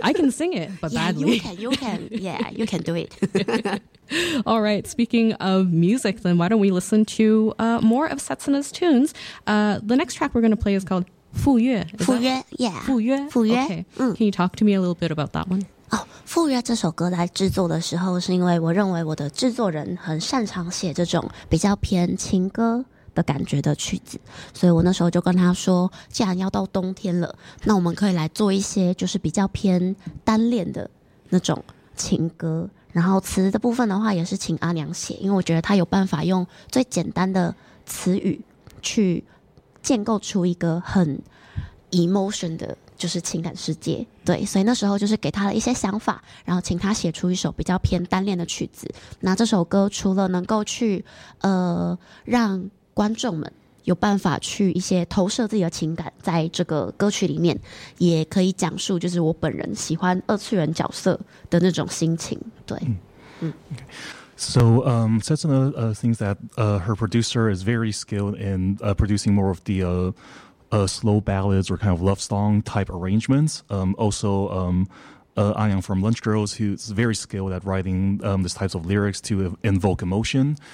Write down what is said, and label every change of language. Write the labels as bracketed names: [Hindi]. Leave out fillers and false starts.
[English] I can sing it, but badly. You can. Yeah, you can do it. All right. Speaking of music, then why don't we listen to more of Setsuna's tunes? The next track we're going to play is called Fu Yue. Fu Yue. Okay. Can you talk to me a little bit about that one? [Chinese] 赴约这首歌来制作的时候，是因为我认为我的制作人很擅长写这种比较偏情歌的感觉的曲子，所以我那时候就跟他说，既然要到冬天了，那我们可以来做一些就是比较偏单恋的那种情歌，然后词的部分的话也是请阿娘写，因为我觉得他有办法用最简单的词语去建构出一个很 emotion 的就是情感世界，对，所以那时候就是给他了一些想法，然后请他写出一首比较偏单恋的曲子。那这首歌除了能够去让观众们有办法去一些投射自己的情感在这个歌曲里面，也可以讲述就是我本人喜欢二次元角色的那种心情，对。 [English] So Setsuna thinks that her producer is very skilled in producing more of the slow ballads or kind of love song type arrangements. Also, Anyang from Lunch Girls, who's very skilled at writing these types of lyrics to invoke emotion.